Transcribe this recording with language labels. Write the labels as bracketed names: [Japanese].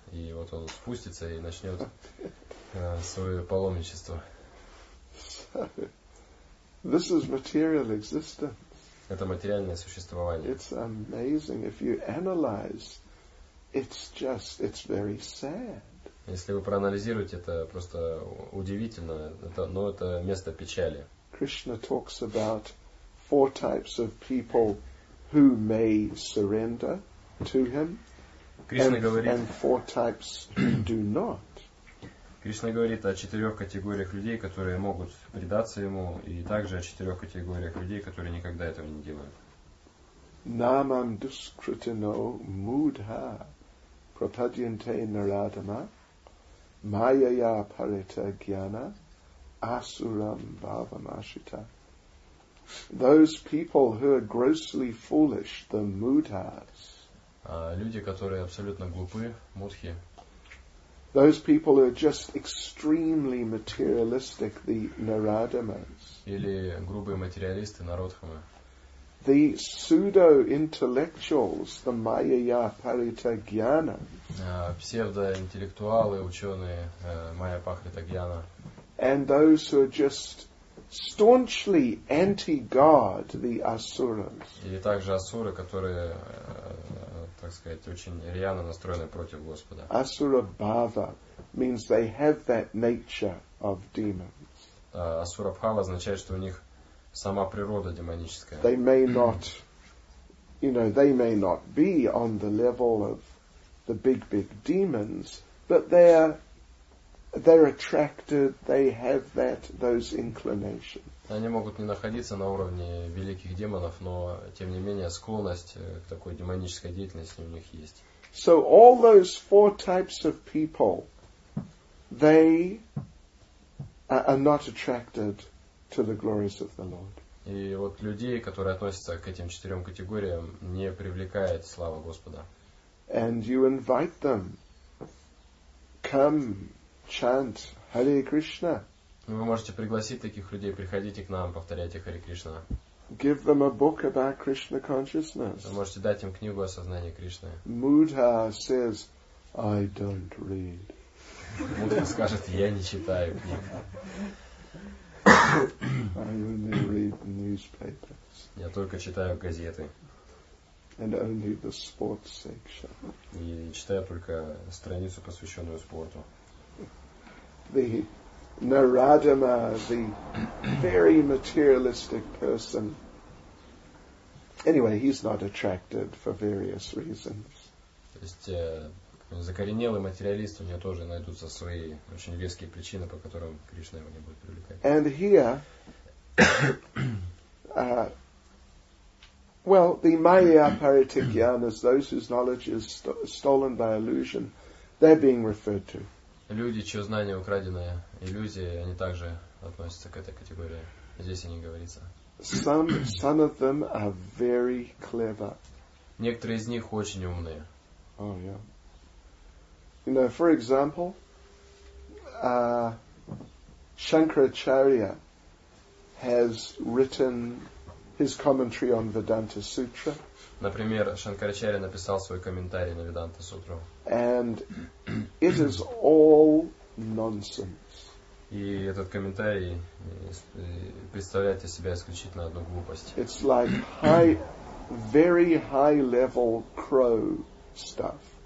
[Russian] И вот он спустится и начнет свое паломничество. [English] So, this is material existence. [Russian] Это материальное существование. [English] It's amazing. If you analyze, it's very sad. [Russian] Если вы проанализируете, это просто удивительно, но это место печали. [English] Krishna talks about four types of people who may surrender to him, and four types who do not. [Russian] Кришна говорит о четырех категориях людей, которые могут предаться ему, и также о четырех категориях людей, которые никогда этого не делают. [Sanskrit] Намам дускритино мудха пропадьянте нарадама Майя парита гьяна асурам бхавамашита. [English] Those people who are grossly foolish, the mudhas. [Russian] Люди, которые абсолютно глупы, мудхи. [English] Those people who are just extremely materialistic, the narадамас. [Russian] Или грубые материалисты, нарадхамы. [English] The pseudo-intellectuals, the майя парита гьяна. [Russian] Псевдоинтеллектуалы, ученые, майя парита гьяна. [English] And those who are just staunchly anti-God, the asuras. [Russian] Или также асуры, которые, так сказать, очень рьяно настроены против Господа. [English] Asura bhava means they have that nature of demons. [Russian] Асура бхава означает, что у них сама природа демоническая. [English] They may not, you know, they may not be on the level of the big, big demons, but they're attracted, they have that, those inclinations. [Russian] Они могут не находиться на уровне великих демонов, но, тем не менее, склонность к такой демонической деятельности у них есть. [English] So all those four types of people, they are not attracted to the glories of the Lord. [Russian] И вот людей, которые относятся к этим четырем категориям, не привлекает слава Господа. [English] And you invite them, come chant Hare Krishna. [Russian] Вы можете пригласить таких людей, приходите к нам, повторяйте Хари Кришна. [English] Give them a book about Krishna consciousness. [Russian] Вы можете дать им книгу о сознании Кришны. [English] Mudha says, I don't read. [Russian] Mudha скажет, я не читаю книг. [English] I only read newspapers. [Russian] Я только читаю газеты. [English] And only the sports section. [Russian] И читаю только страницу, посвященную спорту. [English] The Narayana, the very materialistic person. Anyway, he's not attracted for various reasons. [Russian] То есть закоренелый материалист, у него тоже найдутся свои очень веские причины, по которым Кришна его не будет привлекать. [English] And here, well, the Майя Паритикьяна, those whose knowledge is stolen by illusion, they're being referred to. [Russian] Люди, чье знание украдено иллюзией, они также относятся к этой категории. Здесь о них говорится. [English] Some of them are very clever. [Russian] Некоторые из них очень умные. [English] Oh, yeah. You know, for example, Shankaracharya, has written his commentary on Vedanta Sutra. [Russian] Например, Шанкарачарья написал свой комментарий на Веданта Сутру. [English] And it is all nonsense. [Russian] И этот комментарий представляет из себя исключительно одну глупость. [English] It's like high, very high level crow stuff.